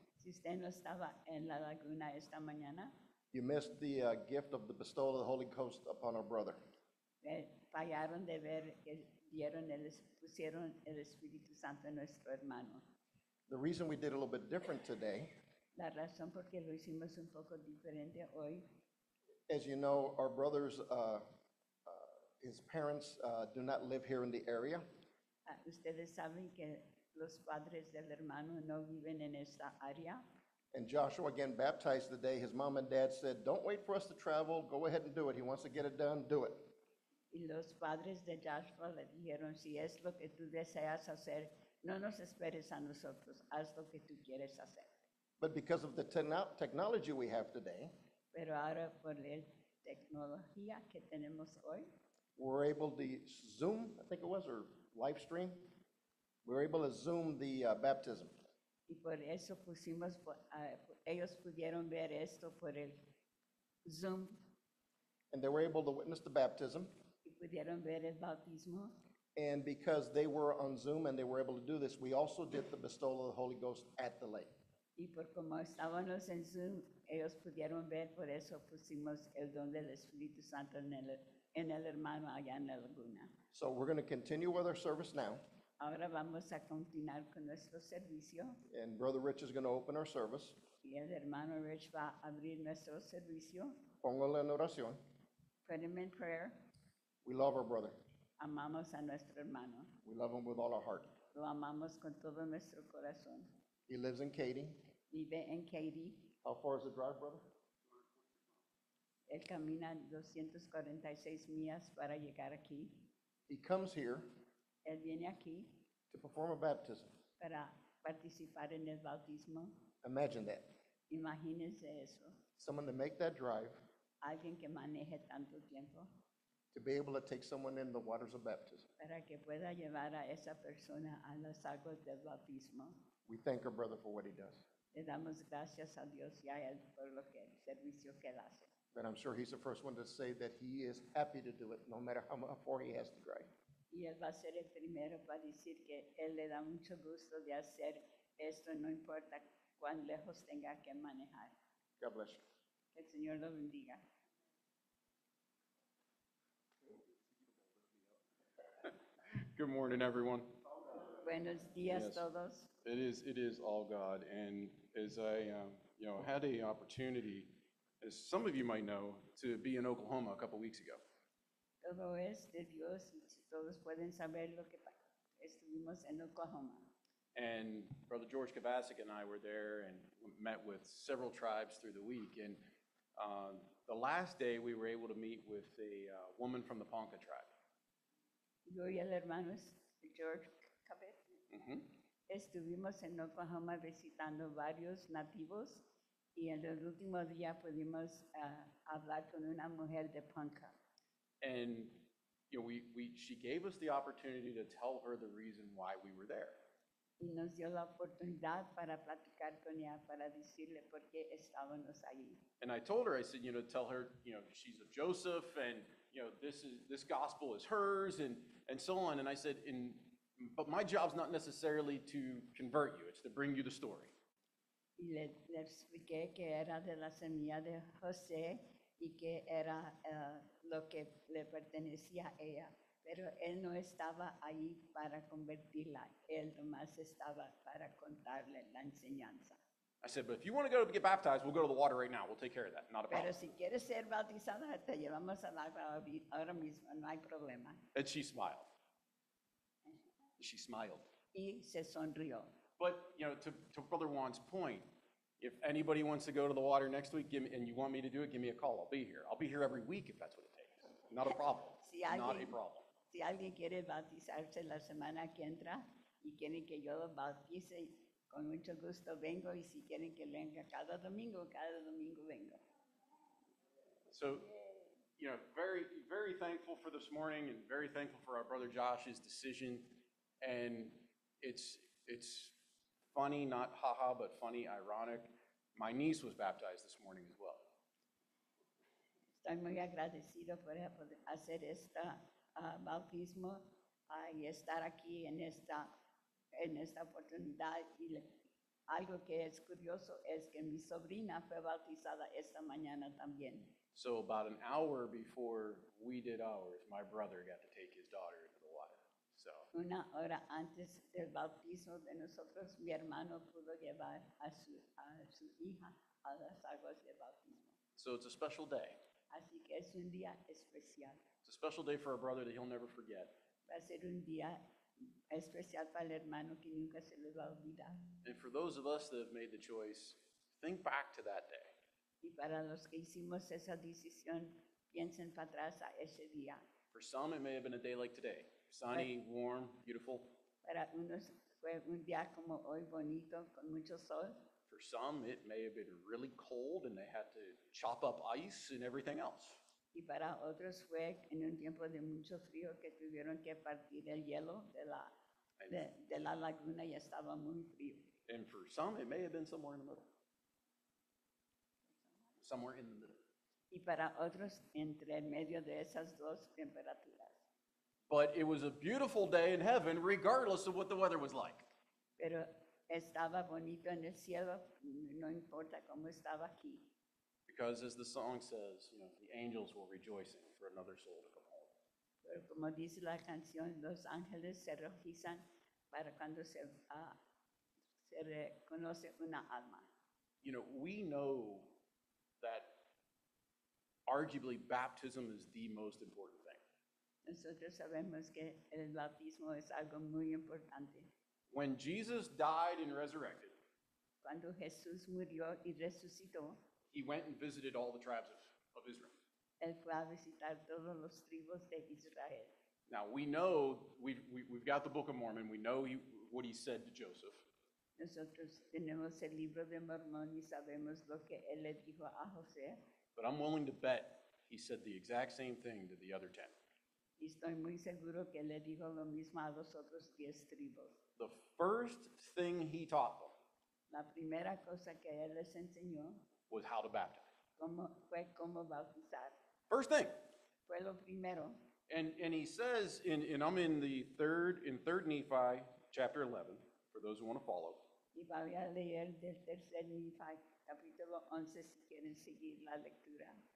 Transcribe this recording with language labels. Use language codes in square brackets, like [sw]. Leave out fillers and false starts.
[es] si usted no estaba en la laguna esta mañana, [en] you missed the gift of the bestowal of the Holy Ghost upon our brother. [es] Fallaron de ver que dieron el, pusieron el Espíritu Santo en nuestro hermano. [en] The reason we did a little bit different today, [es] la razón por qué lo hicimos un poco diferente hoy, [en] as you know, our brother's his parents do not live here in the area. [es] Ustedes saben que los padres del hermano no viven en esta área. [en] And Joshua again baptized the day. His mom and dad said, don't wait for us to travel. Go ahead and do it. He wants to get it done. Do it. [es] Y los padres de Joshua le dijeron, si es lo que tú deseas hacer, no nos esperes a nosotros. Haz lo que tú quieres hacer. [en] But because of the technology we have today, [es] pero ahora por la tecnología que tenemos hoy, [en] we're able to Zoom, I think it was, or live stream. We're able to Zoom the baptism. [es] Y por eso pusimos, ellos pudieron ver esto por el Zoom. [en] And they were able to witness the baptism. [es] Y pudieron ver el bautismo. [en] And because they were on Zoom and they were able to do this, we also did the bestowal of the Holy Ghost at the lake. [es] Y por como estábamos en Zoom, ellos pudieron ver, por eso pusimos el don del Espíritu Santo en el en el hermano allá en la laguna. [en] So we're going to continue with our service now. [es] Ahora vamos a continuar con nuestro servicio. [en] And Brother Rich is going to open our service. [es] Y el hermano Rich va a abrir nuestro servicio. Póngalo en oración. [en] Put him in prayer. We love our brother. [es] Amamos a nuestro hermano. [en] We love him with all our heart. [es] Lo amamos con todo nuestro corazón. [en] He lives in Katy. [es] Vive en Katy. [en] How far is the drive, brother? [es] Él camina 246 millas para llegar aquí. [en] He comes here. [es] Él viene aquí. [en] To perform a baptism. [es] Para participar en el bautismo. [en] Imagine that. [es] Imagínense eso. [en] Someone to make that drive. [es] Alguien que maneje tanto tiempo. [en] To be able to take someone in the waters of baptism. [es] Para que pueda llevar a esa persona a las aguas del bautismo. [en] We thank our brother for what he does. [es] Le damos gracias a Dios y a él por lo que el servicio que él hace. [en] But I'm sure he's the first one to say that he is happy to do it, no matter how far he has to drive. [es] Y él va a ser el primero para decir que él le da mucho gusto de hacer esto, no importa cuán lejos tenga que manejar. [en] God bless you. [es] El Señor lo bendiga. [en] Good morning, everyone. [es] Buenos días, yes. Todos. [en] It is all God, and as I had a opportunity, as some of you might know, to be in Oklahoma a couple weeks ago. [es] Todo es de Dios, y todos pueden saber lo que estuvimos en Oklahoma. [en] And Brother George Kavasik and I were there and met with several tribes through the week. And the last day we were able to meet with a woman from the Ponca tribe. [es] Yo y el hermano George Kavasik estuvimos en Oklahoma visitando varios nativos. Y en el último día pudimos hablar con una mujer de Ponca. [en] And she gave us the opportunity to tell her the reason why we were there. [es] Y nos dio la oportunidad para platicar con ella, para decirle por qué estábamos allí. [en] And I told her, I said, tell her, she's of Joseph, and this gospel is hers, and so on. And I said, but my job's not necessarily to convert you; it's to bring you the story. [es] Y le expliqué que era de la semilla de José y que era lo que le pertenecía a ella. Pero él no estaba ahí para convertirla. Él nomás estaba para contarle la enseñanza. [en] I said, but if you want to go to get baptized, we'll go to the water right now. We'll take care of that. Not a problem. [es] Pero si quieres ser bautizada, te llevamos al agua ahora mismo. No hay problema. [en] And she smiled. She smiled. [es] Y se sonrió. [en] But, to Brother Juan's point, if anybody wants to go to the water next week and you want me to do it, give me a call. I'll be here. I'll be here every week if that's what it takes. Not a problem. [es] Si alguien, [en] not a problem. [es] Si alguien quiere bautizarse la semana que entra y quieren que yo lo bautice, con mucho gusto vengo. Y si quieren que venga cada domingo vengo. [en] So, very, very thankful for this morning and very thankful for our Brother Josh's decision. And it's funny, not haha, but funny, ironic. My niece was baptized this morning as well. [es] Estoy muy agradecido por hacer este bautismo y estar aquí en esta oportunidad. Y algo que es curioso es que mi sobrina fue bautizada esta mañana también. [en] So about an hour before we did ours, my brother got to take his daughter. So. [es] Una hora antes del bautismo de nosotros, mi hermano pudo llevar a su hija a las aguas del bautismo. [en] So it's a special day. [es] Así que es un día especial. [en] It's a special day for a brother that he'll never forget. [es] Va a ser un día especial para el hermano que nunca se le va a olvidar. [en] And for those of us that have made the choice, think back to that day. [es] Y para los que hicimos esa decisión, piensen para atrás a ese día. [en] For some, it may have been a day like today. Sunny, warm, beautiful. [es] Para unos fue un día como hoy bonito con mucho sol. [en] For some, it may have been really cold and they had to chop up ice and everything else. [es] Y para otros fue en un tiempo de mucho frío que tuvieron que partir el hielo de la laguna y estaba muy frío. [en] And for some, it may have been somewhere in the middle. Somewhere in the middle. [es] Y para otros entre medio de esas dos temperaturas. [en] But it was a beautiful day in heaven, regardless of what the weather was like. [es] Pero estaba bonito en el cielo, no importa cómo estaba aquí. [en] Because as the song says, the angels were rejoicing for another soul to come home. [es] Pero como dice la canción, los ángeles se rojizan para cuando se, se reconoce una alma. [en] You know, we know that arguably baptism is the most important thing. [es] Nosotros sabemos que el bautismo es algo muy importante. [en] When Jesus died and resurrected, [es] cuando Jesús murió y resucitó, [en] he went and visited all the tribes of Israel. [es] Él fue a visitar todos los tribus de Israel. [en] Now we know, we've got the Book of Mormon, we know what he said to Joseph. [es] Nosotros tenemos el libro de Mormón y sabemos lo que él le dijo a José. [en] But I'm willing to bet he said the exact same thing to the other 10. [es] Y estoy muy seguro que le dijo lo mismo a los otros 10 tribus. [en] The first thing he taught them, [es] la primera cosa que él les enseñó, [en] was how to baptize. [es] Cómo, fue cómo bautizar. [en] First thing. [es] Fue lo primero. [en] And he says, and I'm in the third, in 3 Nephi, chapter 11, for those who want to follow. [es] Y voy a leer del 3 Nephi, capítulo 11, si quieren seguir la lectura.